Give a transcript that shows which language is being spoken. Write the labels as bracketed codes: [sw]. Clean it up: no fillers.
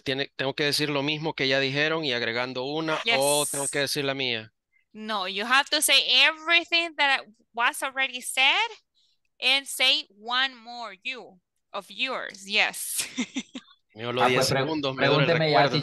[es] Tengo que decir lo mismo que ya dijeron y agregando una. [en] Yes. [es] O tengo que decir la mía. [en] No, you have to say everything that was already said and say one more, you, of yours, yes. [es] Me olvidó 10 pues, segundos, me duele el recuerdo.